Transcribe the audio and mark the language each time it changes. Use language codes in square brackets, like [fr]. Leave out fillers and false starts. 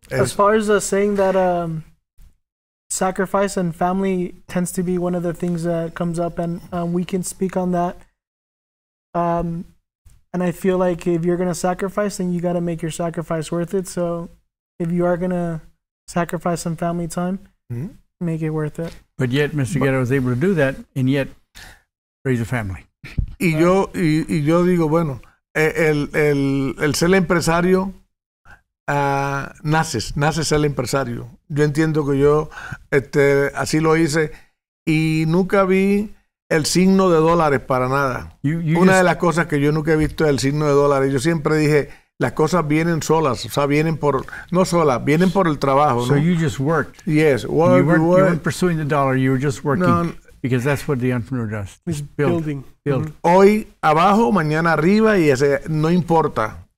[en] As far as the saying that sacrifice and family tends to be one of the things that comes up, and we can speak on that. And I feel like if you're going to sacrifice, then you got to make your sacrifice worth it. So if you are going to sacrifice some family time, make it worth it. But yet, Mr. Guerra was able to do that, and yet raise a family. [es] Y yo digo, bueno, el ser empresario, naces ser empresario. Yo entiendo que yo así lo hice, y nunca vi el signo de dólares para nada. Una de las cosas que yo nunca he visto es el signo de dólares. Yo siempre dije, las cosas vienen solas, o sea, vienen por el trabajo, [en] so [es] ¿no? [en] You just worked. Yes. Well, you weren't pursuing the dollar, you were just working. [es] No, [en] Because that's what the entrepreneur does. He's building. Build. Mm-hmm. [es] Hoy abajo, mañana arriba, y ese, no importa.